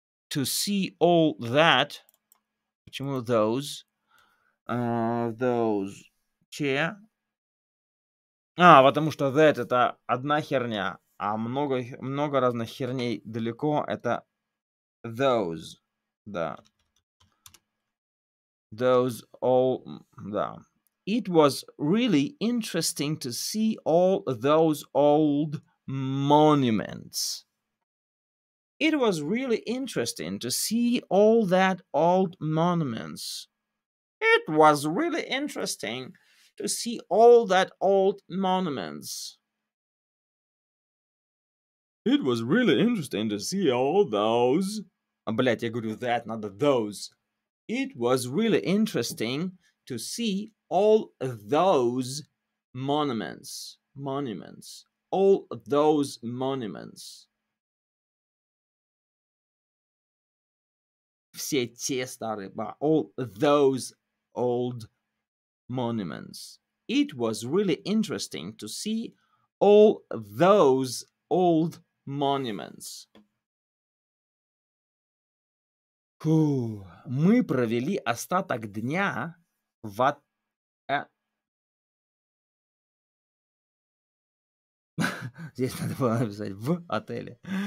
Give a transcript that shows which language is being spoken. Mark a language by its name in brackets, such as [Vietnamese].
[English] To see all that. [Russian] Почему [English] those? Those. Те. [Russian] А, потому что that это одна херня, а много, много разных херней далеко это those. Да. [English] Those all. Да. It was really interesting to see all those old monuments. It was really interesting to see all that old monuments. It was really interesting to see all that old monuments. It was really interesting to see all those. [Russian] А, блядь, я говорю that, [English] not those. It was really interesting to see all those monuments. Monuments. All those monuments. [Russian] Все те старые, [English] all those old monuments. It was really interesting to see all those old monuments. [Russian] Фу. Мы провели остаток дня в... Здесь надо было написать в отеле.